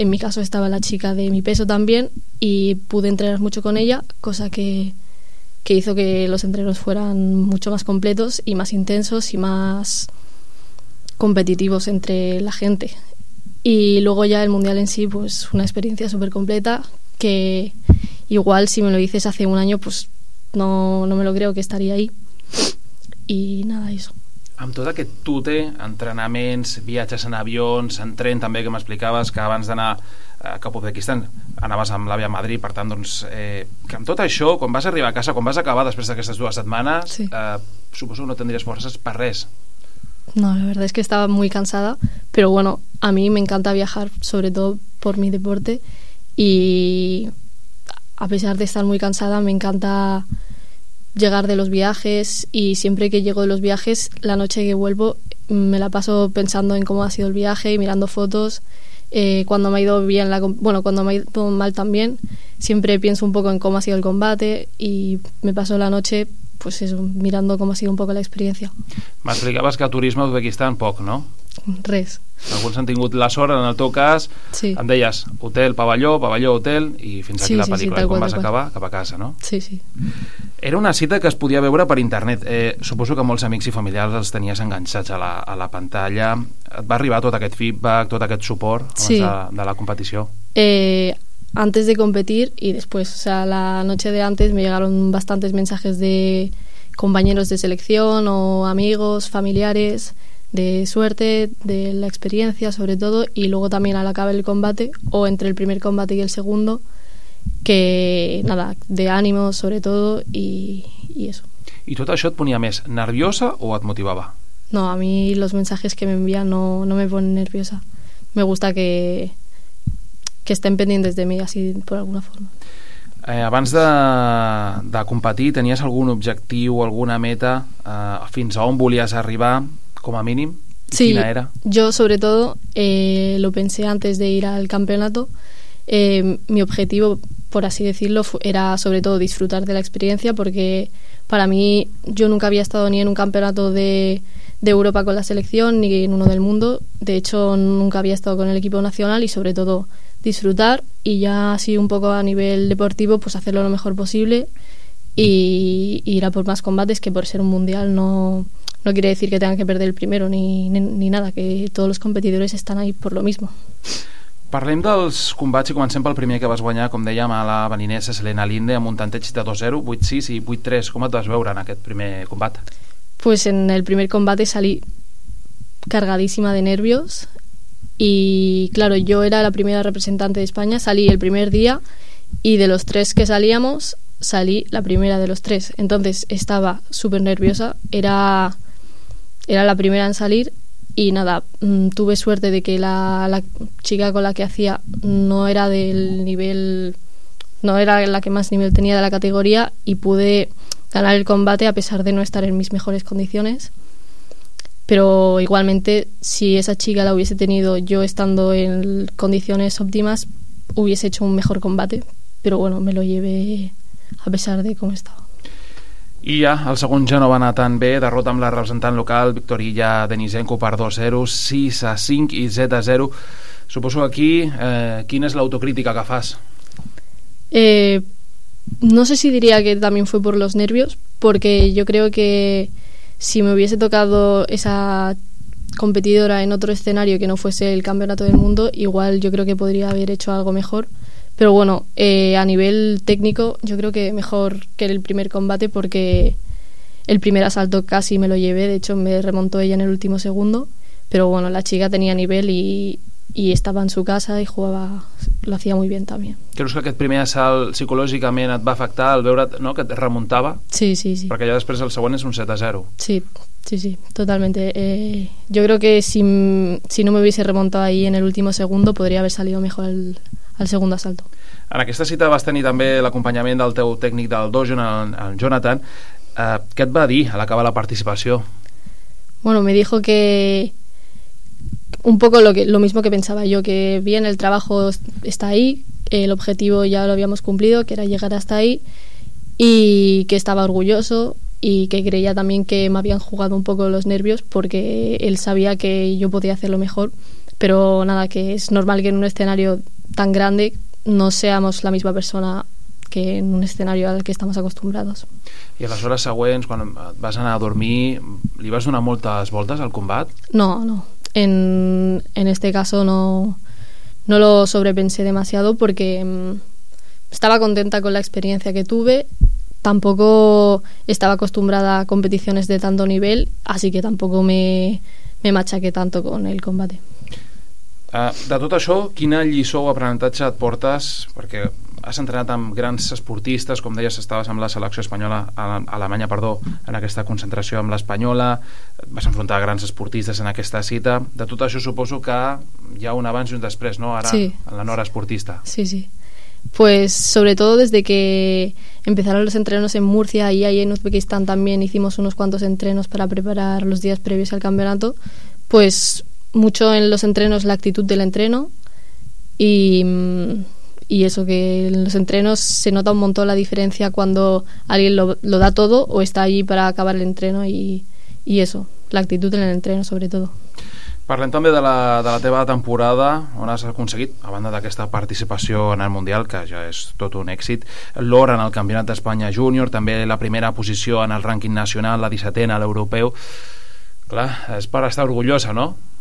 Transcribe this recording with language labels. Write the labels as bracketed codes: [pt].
[es] En mi caso estaba la chica de mi peso también y pude entrenar mucho con ella, cosa que hizo que los entrenos fueran mucho más completos y más intensos y más competitivos entre la gente. Y luego ya el mundial en sí, pues una experiencia súper completa que igual si me lo dices hace un año, pues no me lo creo que estaría ahí. Y nada, eso. [ca] Amb tot aquest tute, entrenaments, viatges en avions, en tren també, que m'explicaves que abans d'anar cap a Uzbekistan anaves amb l'àvia a Madrid, per tant, doncs, que amb tot això, quan vas arribar a casa, quan vas acabar després d'aquestes 2 setmanes, sí. Suposo que no tindries forces per res. [es] No, la verdad es que estaba muy cansada, pero bueno, a mí me encanta viajar, sobre todo por mi deporte, y a pesar de estar muy cansada, me encanta llegar de los viajes, y siempre que llego de los viajes, la noche que vuelvo, me la paso pensando en cómo ha sido el viaje, mirando fotos, cuando me ha ido bien la, bueno, cuando me ha ido mal también, siempre pienso un poco en cómo ha sido el combate y me paso la noche, pues eso, mirando cómo ha sido un poco la experiencia. [ca] M'explicaves que a turisme a Uzbekistan poc, no? Res. Alguns han tingut la sort, en el teu cas, sí. Em deies hotel, pavelló, pavelló, hotel, i fins aquí sí, la pel·lícula, sí, sí, i quan vas acabar, cap a casa, no? Sí, sí. Era una cita que es podia veure per internet. Suposo que molts amics i familiars els tenies enganxats a la pantalla. Et va arribar tot aquest feedback, tot aquest suport sí. De la competició? [es] Antes de competir y después, o sea, la noche de antes me llegaron bastantes mensajes de compañeros de selección o amigos, familiares, de suerte, de la experiencia sobre todo, y luego también al acabar el combate o entre el primer combate y el segundo, que nada, de ánimo sobre todo y eso. ¿Y todo eso te ponía más nerviosa o te motivaba? No, a mí los mensajes que me envían no me ponen nerviosa. Me gusta que estén pendientes de mí, así, por alguna forma. [ca] Abans de competir, tenies algun objectiu, alguna meta, fins a on volies arribar, com a mínim? Sí, quina era? [es] Yo, sobre todo, lo pensé antes de ir al campeonato. Mi objetivo, por así decirlo, era, sobre todo, disfrutar de la experiencia, porque para mí, yo nunca había estado ni en un campeonato de Europa con la selección, ni en uno del mundo. De hecho, nunca había estado con el equipo nacional y, sobre todo, disfrutar y ya así un poco a nivel deportivo pues hacerlo lo mejor posible y ir a por más combates, que por ser un mundial no quiere decir que tengan que perder el primero ni nada, que todos los competidores están ahí por lo mismo. [ca] Parlem dels combats i comencem pel primer que vas guanyar, com dèiem, a la beninesa Selena Linde amb un tanteig de 2-0, 8-6 i 8-3. Com et vas veure en aquest primer combat? [es] Pues en el primer combate salí cargadísima de nervios. Y claro, yo era la primera representante de España, salí el primer día y de los tres que salíamos, salí la primera de los tres. Entonces estaba súper nerviosa, era la primera en salir y nada, tuve suerte de que la chica con la que hacía no era del nivel, no era la que más nivel tenía de la categoría y pude ganar el combate a pesar de no estar en mis mejores condiciones. Pero igualmente, si esa chica la hubiese tenido yo estando en condiciones óptimas, hubiese hecho un mejor combate. Pero bueno, me lo llevé a pesar de cómo estaba. [ca] I ja, el segon ja no va anar tan bé. Derrota amb la representant local, Victoria Denisenko, per 2-0, 6-5 i 7-0. Suposo que aquí, quina és l'autocrítica que fas? No sé si diria que [es] també fue por los nervios, porque yo creo que si me hubiese tocado esa competidora en otro escenario que no fuese el campeonato del mundo, igual yo creo que podría haber hecho algo mejor. Pero bueno, a nivel técnico yo creo que mejor que el primer combate, porque el primer asalto casi me lo llevé, de hecho me remontó ella en el último segundo. Pero bueno, la chica tenía nivel y estaba en su casa y jugaba, lo hacía muy bien también. [ca] ¿Creus que aquest primer assalt psicològicament et va afectar al veure't, no?, que et remuntava? Sí, sí, sí. Perquè ja després el següent és un 7-0. [es] Sí, sí, sí, totalmente. Yo creo que si no me hubiese remontado ahí en el último segundo podría haber salido mejor al segundo asalto. [ca] En aquesta cita vas tenir també l'acompanyament del teu tècnic del dojo, el Jonathan. Què et va dir a l'acabar la participació? [es] Bueno, me dijo que un poco lo mismo que pensaba yo, que bien, el trabajo está ahí, el objetivo ya lo habíamos cumplido, que era llegar hasta ahí, y que estaba orgulloso y que creía también que me habían jugado un poco los nervios, porque él sabía que yo podía hacerlo mejor, pero nada, que es normal que en un escenario tan grande no seamos la misma persona que en un escenario al que estamos acostumbrados. [ca] I a les hores següents, quan vas anar a dormir, li vas donar moltes voltes al combat? No, no. [es] En este caso no lo sobrepensé demasiado porque estaba contenta con la experiencia que tuve. Tampoco estaba acostumbrada a competiciones de tanto nivel, así que tampoco me machaqué tanto con el combate. [ca] De tot això, quina lliçó o aprenentatge et portes? Perquè has entrenat amb grans esportistes, com deies, estaves amb la selecció espanyola, Alemanya, perdó, en aquesta concentració amb l'Espanyola, vas enfrontar grans esportistes en aquesta cita. De tot això suposo que hi ha un abans i un després, no? Ara, sí. En la Nora esportista. Sí, sí. [es] Pues sobre todo desde que empezaron los entrenos en Murcia y ahí en Uzbekistán también hicimos unos cuantos entrenos para preparar los días previos al campeonato, pues mucho en los entrenos la actitud del entreno, Y eso, que en los entrenos se nota un montón la diferencia cuando alguien lo da todo o está allí para acabar el entreno, y eso, la actitud en el entreno sobre todo. [ca] Parlem també de la teva temporada, on has aconseguit, a banda d'aquesta participació en el Mundial, que ja és tot un èxit, l'or en el Campionat d'Espanya Júnior, també la primera posició en el rànquing nacional, la 17a a l'europeu. Clar, és per estar orgullosa, no?